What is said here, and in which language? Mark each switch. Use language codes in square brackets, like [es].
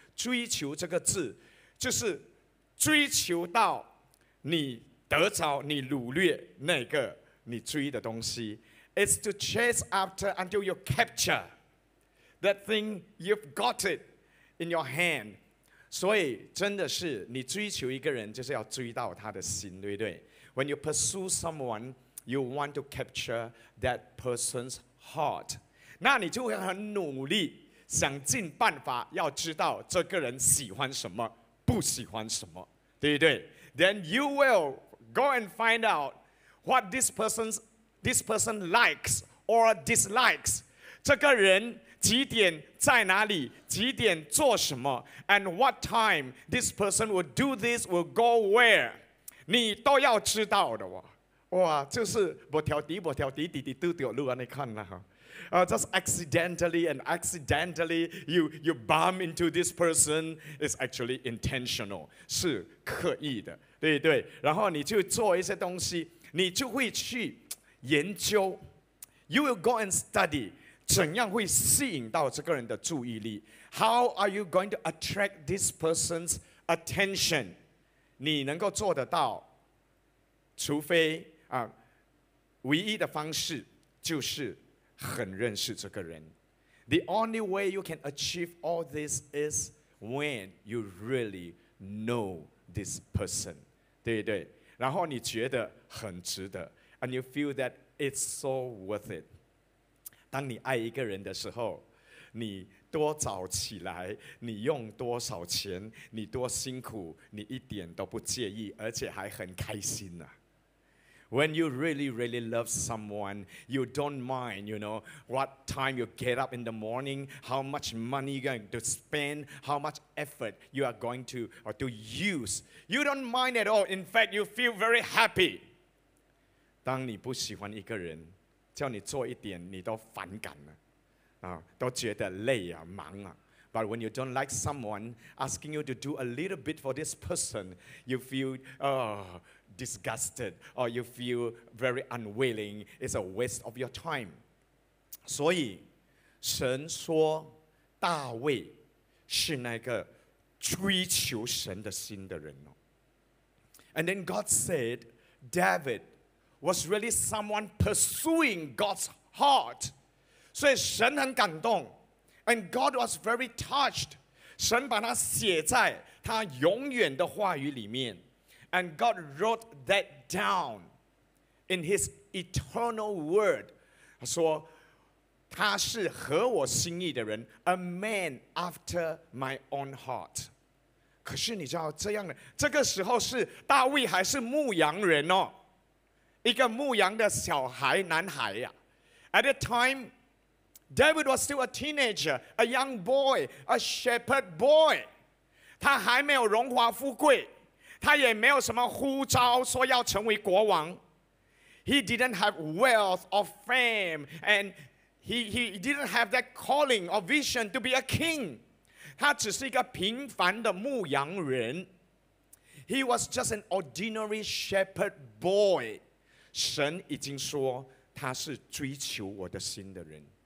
[zh] 追求这个字就是追求到你得着你掳掠那个你追的东西。 [en] It's to chase after until you capture that thing, you've got it in your hand. [zh] 所以真的是你追求一个人就是要追到他的心，对不对？ [en] When you pursue someone, you want to capture that person's heart. [zh] 那你就会很努力想尽办法要知道这个人喜欢什么，不喜欢什么，对不对？ [en] Then you will go and find out what this person likes or dislikes. [zh] 这个人几点在哪里，几点做什么， [en] and what time this person will do this, will go where. [zh] 你都要知道的。哇，就是不条滴不条滴滴滴嘟嘟路啊，你看了哈。 [en] Just accidentally you bump into this person is actually intentional, [zh] 是刻意的，对不对？然后你就做一些东西，你就会去研究， [en] you will go and study [zh] 怎样会吸引到这个人的注意力。 [en] How are you going to attract this person's attention? [zh] 你能够做得到，除非唯一的方式就是很认识这个人。 [en] The only way you can achieve all this is when you really know this person, [zh] 对不对？然后你觉得很值得， [en] and you feel that it's so worth it. [zh] 当你爱一个人的时候，你多早起来，你用多少钱，你多辛苦，你一点都不介意，而且还很开心啊。 [en] When you really, really love someone, you don't mind, you know, what time you get up in the morning, how much money you're going to spend, how much effort you are going to use. You don't mind at all. In fact, you feel very happy. [zh] 当你不喜欢一个人，叫你做一点，你都反感了，都觉得累啊，忙啊。 [en] But when you don't like someone, asking you to do a little bit for this person, you feel, disgusted, or you feel very unwilling, it's a waste of your time. [zh] 所以神说大卫是那个追求神的心的人。 [en] And then God said David was really someone pursuing God's heart. [zh] 所以神很感动， [en] and God was very touched. [zh] 神把他写在他永远的话语里面。 [en] And God wrote that down in His eternal word. [zh] 他说他是合我心意的人， [en] a man after my own heart. [zh] 可是你知道这样的，这个时候是大卫还是牧羊人哦，一个牧羊的小孩男孩啊。 [en] At the time, David was still a teenager, a young boy, a shepherd boy. [zh] 他还没有荣华富贵，他也没有什么呼召说要成为国王。 [en] He didn't have wealth or fame, and he didn't have that calling or vision to be a king. [zh] 他只是一个平凡的牧羊人。 [en] He was just an ordinary shepherd boy. [zh] 神已经说他是追求我的心的人。